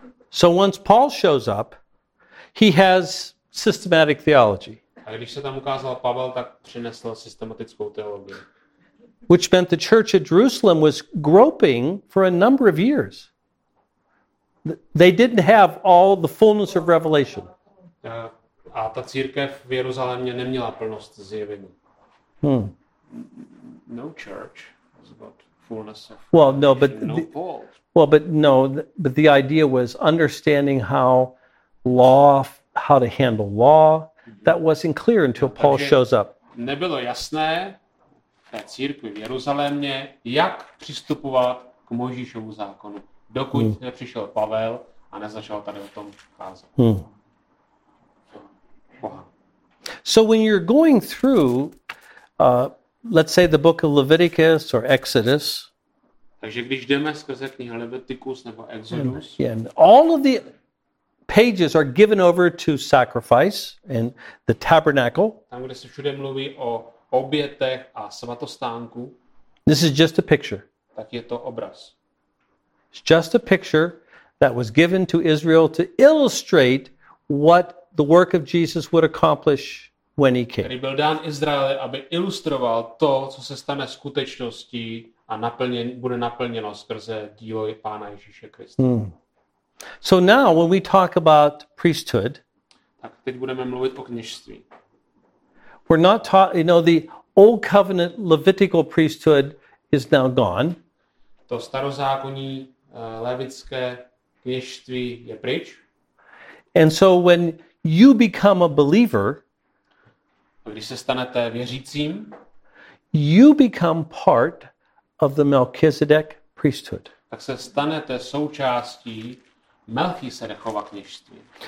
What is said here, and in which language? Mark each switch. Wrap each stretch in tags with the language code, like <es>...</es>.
<en>So once Paul shows up, he has systematic theology.</en> <cs>A když se tam ukázal Pavel, tak přinesl systematickou teologii.</cs> <en>Which meant the church at Jerusalem was groping for a number of years. They didn't have all the fullness of revelation.</en> <cs>A ta církev v Jeruzalémě neměla plnost zjevení.</cs> <en>No church was about fullness of revelation. Well, no, but no Paul. But the idea was understanding how to handle law. That wasn't clear until Paul shows up.</en> <cs>Nebylo jasné té církvi v Jeruzalémě, jak přistupovat k Mojžíšovu zákonu, dokud nepřišel Pavel a nezačal tady o tom kázat.</cs> <en>So when you're going through let's say the book of Leviticus or Exodus.</en> <cs>Takže když jdeme skrze knihu Leviticus nebo Exodus.</cs> <en>And all of the pages are given over to sacrifice and the tabernacle.</en> <cs>Tam, kde se všude mluví o obětech a svatostánku.</cs> <en>This is just a picture.</en> <cs>Tak je to obraz.</cs> <en>It's just a picture that was given to Israel to illustrate what the work of Jesus would accomplish when he came.</en> <cs>Který byl dán Izraeli, aby ilustroval to, co se stane skutečností a bude naplněno skrze dílo Pána Ježíše Krista.</cs> <en>So now when we talk about priesthood,</en> <cs>tak teď budeme mluvit o kněžství.</cs> <en>We're not taught, you know, the old covenant Levitical priesthood is now gone.</en> <cs>To starozákonní levitské kněžství je pryč.</cs> <en>And so when you become a believer,</en> <cs>když se stanete věřícím,</cs> <en>you become part of the Melchizedek priesthood.</en> <cs>Tak se stanete součástí Melchisedechova kněžství.</cs>